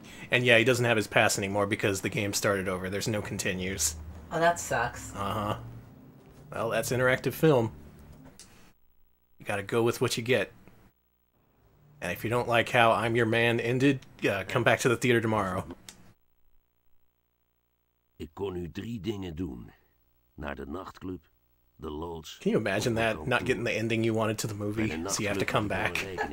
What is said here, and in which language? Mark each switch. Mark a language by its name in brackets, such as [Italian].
[English] And yeah, he doesn't have his pass anymore because the game started over. There's no continues. Oh, that sucks. Uh-huh. Well, that's interactive film. You gotta go with what you get. And if you don't like how I'm Your Man ended, come back to the theater tomorrow. [Dutch] Ik kon u drie dingen doen. Naar de nachtclub. The Lodge. [English] Can you imagine that? Not getting the ending you wanted to the movie, so you have to come back.